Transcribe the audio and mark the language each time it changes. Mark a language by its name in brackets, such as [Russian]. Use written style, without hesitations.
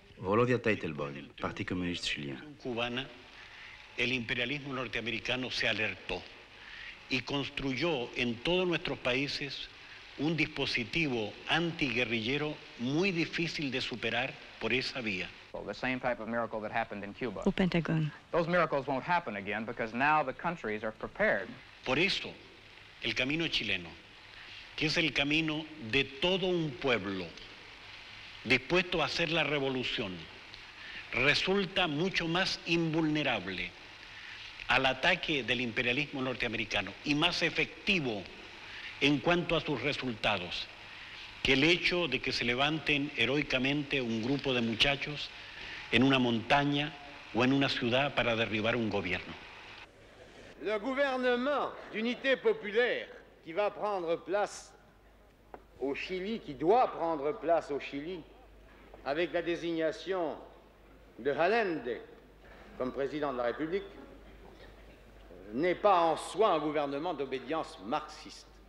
[Spanish] Volodia Teitelbaum, Partido Comunista Chileno. Cubana. El imperialismo norteamericano se alertó y construyó en todos nuestros países un dispositivo antiguerrillero muy difícil de superar por esa vía. [English] The same type of miracle that happened in Cuba. [Spanish] O Pentagón. [English] Those miracles won't happen again because now the countries are prepared. [Spanish] Por eso, el camino chileno, que es el camino de todo un pueblo dispuesto a hacer la revolución, resulta mucho más invulnerable al ataque del imperialismo norteamericano y más efectivo en cuanto a sus resultados que el hecho de que se levanten heroicamente un grupo de muchachos en una montaña o en una ciudad para derribar un gobierno. [French] Le gouvernement d'unité populaire qui va prendre place au Chili, qui doit prendre place au Chili avec la désignation de Allende comme président de la République n'est pas en soi un gouvernement d'obédience marxiste.